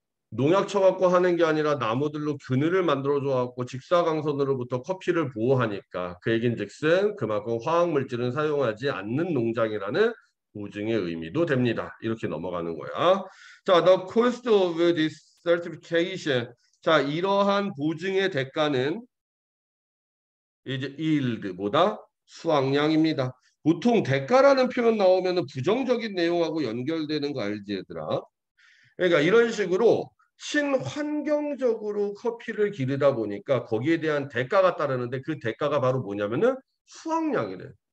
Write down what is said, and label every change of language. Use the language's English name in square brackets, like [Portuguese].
[Korean] 농약 쳐갖고 하는 게 아니라 나무들로 그늘을 만들어줘갖고 직사광선으로부터 커피를 보호하니까 그 얘긴즉슨 그만큼 화학물질은 사용하지 않는 농장이라는 보증의 의미도 됩니다. 이렇게 넘어가는 거야. [English] 자, the cost of this certification. [Korean] 자, 이러한 보증의 대가는 이제 yield보다 수확량입니다. 보통 대가라는 표현 나오면 부정적인 내용하고 연결되는 거 알지 얘들아? 그러니까 이런 식으로 친환경적으로 커피를 기르다 보니까 거기에 대한 대가가 따르는데 그 대가가 바로 뭐냐면은 수확량이래.